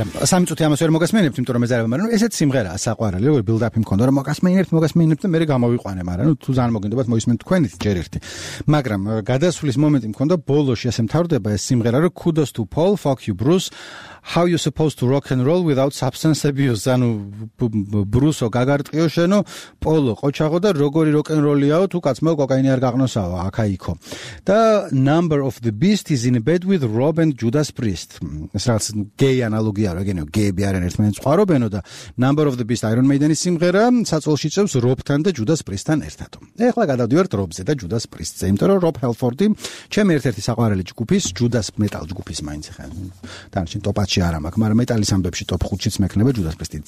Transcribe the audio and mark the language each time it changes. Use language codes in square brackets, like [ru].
[ka] არა, სამი წუთი ამას ვერ მოგასმენებთ, იმიტომ რომ მე ზარება, მაგრამ ესეც სიმღერაა საყვარელი, როგორი ბილდაპი მქონდა, რომ მოგასმენებთ და მე გამოვიყვანე, მაგრამ ნუ თუ ზან მოგინდებათ მოისმენთ თქვენით ჯერ ერთი. მაგრამ გადასვლის მომენტი მქონდა ბოლოში, ასე მთავრდება ეს სიმღერა, რომ [en] kudos to Paul, fuck you Bruce, how you supposed to rock and roll without substance abuse? [ka] ანუ ბრუსო გაგარტყიო შენო, პოლო ყოჩაღო და როგორი rock and roll-იაო, თუ კაცმა კოკაინი არ გაღნოსაო, აქა იქო. და [en] number of the beast is in bed with Rob and Judas Priest. [ka] ეს რაღაც gay analogy-ა რა, გენო, gay-ები არიან ერთმანეთს ყვარობენო და number of the beast Iron Maiden-ის სიმღერა საწოლში წევს Rob-თან და Judas Priest-თან ერთად. ეხლა გადავდივართ Rob-ზე და Judas Priest-ზე, იმიტომ რომ Rob Halford-ი ჩემი ერთ-ერთი საყვარელი ჯგუფის, Judas Metal ჯგუფის მაინც ხა. დანარჩენ ტოპაჩი არა მაქვს, მაგრამ მეტალის ამბებში top 5-შიც მექნება Judas Priest-ი.